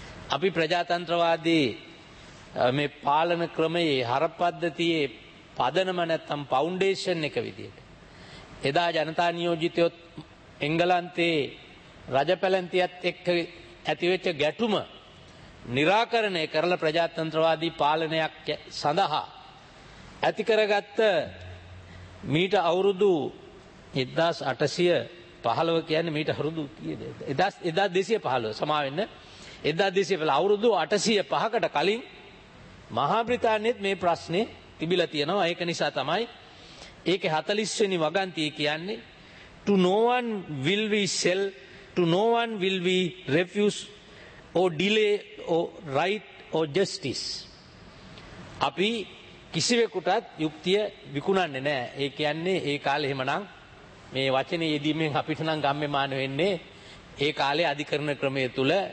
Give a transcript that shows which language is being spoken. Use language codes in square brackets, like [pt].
[si] අපි ප්‍රජාතන්ත්‍රවාදී මේ පාලන ක්‍රමයේ හරපද්ධතියේ පදනම නැත්තම් ෆවුන්ඩේෂන් එක විදියට එදා ජනතා නියෝජිතයොත් එංගලන්තයේ රජපැලැන්තියත් එක්ක ඇතිවෙච්ච ගැටුම निराකරණය කරලා ප්‍රජාතන්ත්‍රවාදී පාලනයක් සඳහා ඇති කරගත්ත මීට අවුරුදු 1815 කියන්නේ මීට අවුරුදු කීයද 1215 සමා වෙන්න 1215 අවුරුදු 805කට කලින් මහා බ්‍රිතාන්‍යෙත් මේ ප්‍රශ්නේ තිබිලා තියෙනවා. ඒක නිසා තමයි ඒකේ 40 වගන්තිය කියන්නේ [en] to no one will we sell, to no one will we refuse or delay or right or justice. [si] අපි කිසිවෙකුටත් යුක්තිය විකුණන්නේ නැහැ. ඒ කියන්නේ ඒ කාලේ එහෙමනම් මේ වචනේ යෙදීමෙන් අපිට නම් ගම්මෙ මාන වෙන්නේ ඒ කාලේ අධිකරණ ක්‍රමයේ තුල